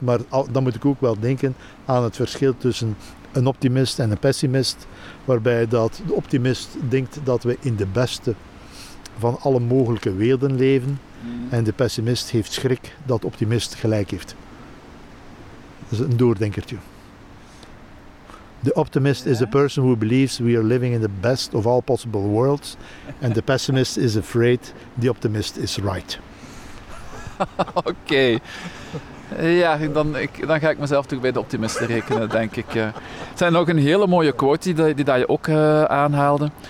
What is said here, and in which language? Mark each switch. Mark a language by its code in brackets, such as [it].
[nl] Maar dan moet ik ook wel denken aan het verschil tussen een optimist en een pessimist. Waarbij dat de optimist denkt dat we in de beste van alle mogelijke werelden leven. En de pessimist heeft schrik dat optimist gelijk heeft. Dat is een doordenkertje. [en] The optimist is the person who believes we are living in the best of all possible worlds. And the pessimist is afraid the optimist is right. [nl] Oké. Okay. Ja, dan ga ik mezelf toch bij de optimisten rekenen, denk ik. Het zijn ook een hele mooie quote die dat je ook aanhaalde.